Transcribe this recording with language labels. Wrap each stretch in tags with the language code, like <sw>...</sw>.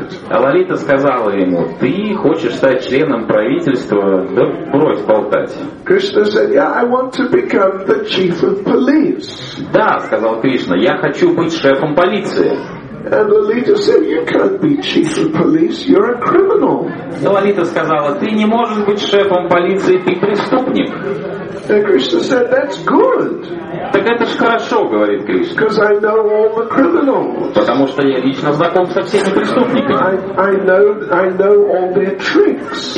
<ru>Лолита сказала ему, ты хочешь стать членом правительства, да брось болтать.</ru> <en>Krishna said, yeah, I want to become the chief of police.</en> <ru>Да, сказал Кришна, я хочу быть шефом полиции.</ru> <en>And Lolita said, "You can't be chief of police. You're a criminal."</en> <ru>Лолита сказала, ты не можешь быть шефом полиции, ты преступник.</ru> <en>And Krishna said, "That's good."</en> <ru>Так это ж хорошо, говорит Кришна.</ru> <en>Because I know all the criminals.</en> <ru>Потому что я лично знаком со всеми преступниками.</ru> <en>I know all their tricks.</en>